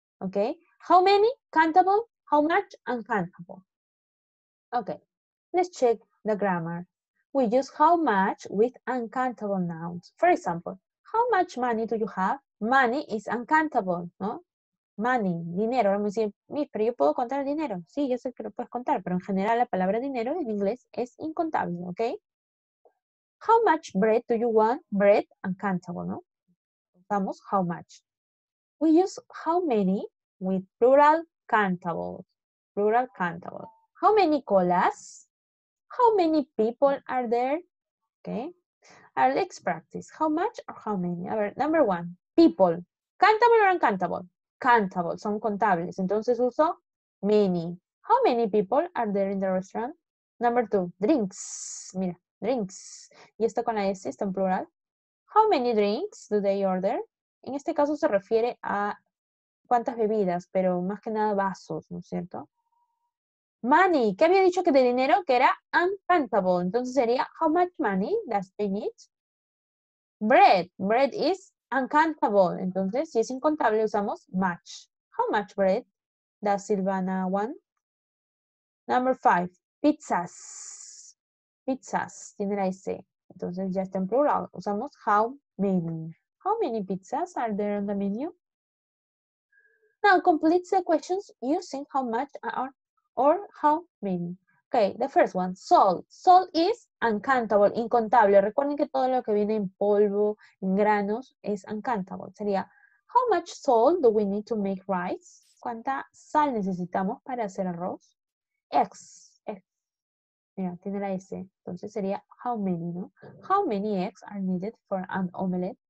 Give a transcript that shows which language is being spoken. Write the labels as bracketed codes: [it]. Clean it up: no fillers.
[en] Okay, how many? Countable. How much? Uncountable. Okay, let's check the grammar. We use how much with uncountable nouns. For example, how much money do you have? Money is uncountable, no? Money, dinero. [es] Ahora me dicen, Miss, pero yo puedo contar el dinero. Sí, yo sé que lo puedes contar, pero en general la palabra dinero en inglés es incontable, ¿ok? [en] How much bread do you want? Bread, uncountable, ¿no? Contamos how much. We use how many with plural countable. Plural countable. How many colas? How many people are there? Okay. Our next practice. How much or how many? A ver, number one. People. Countable or uncountable? Countable. [es] Son contables. Entonces uso many. [en] How many people are there in the restaurant? Number two. Drinks. Mira, drinks. [es] Y esto con la S está en plural. [en] How many drinks do they order? [es] En este caso se refiere a cuántas bebidas, pero más que nada vasos, ¿no es cierto? Money. ¿Qué había dicho que de dinero? Que era uncountable. Entonces sería, [en] how much money does they need? Bread. Bread is uncountable. [es] Entonces, si es incontable, usamos much. [en] How much bread does Silvana want? Number five. [es] Pizzas. Pizzas. Tiene la S. Entonces, ya está en plural. Usamos how many. [en] How many pizzas are there on the menu? Now, complete the questions using how much are or how many. Okay, the first one, salt. Salt is uncountable, incontable. [es] Recuerden que todo lo que viene en polvo, en granos, es uncountable. [en] Sería, how much salt do we need to make rice? [es] ¿Cuánta sal necesitamos para hacer arroz? Eggs. Mira, tiene la S. Entonces sería, how many, ¿no? [en] How many eggs are needed for an omelette?